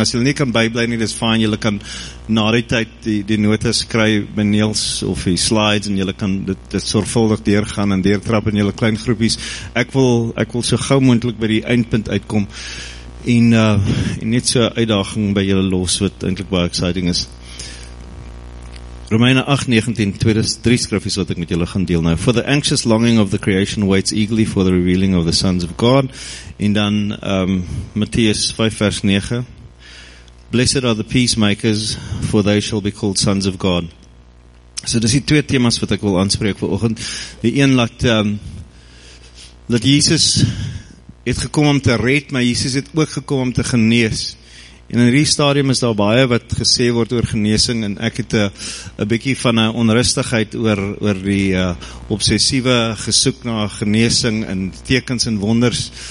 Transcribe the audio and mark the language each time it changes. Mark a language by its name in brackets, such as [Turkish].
[Afrikaans] As julle nie kan bybly nie, dis fine. Julle kan na die tyd die notas kry by Niels of die slides, en julle kan dit sorgvuldig deurgaan en deurtrap in julle klein groepies. Ek wil so gauw moontlik by die eindpunt uitkom en net so 'n uitdaging by julle los wat eintlik baie exciting is. Romeine 8:19, 3 skrifies wat ek met julle gaan deel nou. [English] For the anxious longing of the creation waits eagerly for the revealing of the sons of God. [Afrikaans] En dan Matthäus 5:9. [English] Blessed are the peacemakers, for they shall be called sons of God. [Afrikaans] So dis die twee themas wat ek wil aanspreek vir oggend. Die een dat Jesus het gekom om te red, maar Jesus het ook gekom om te genees. En in die stadium is daar baie wat gesê word oor genesing, en ek het 'n bietjie van 'n onrustigheid oor die obsessiewe gesoek na genesing en tekens en wonders.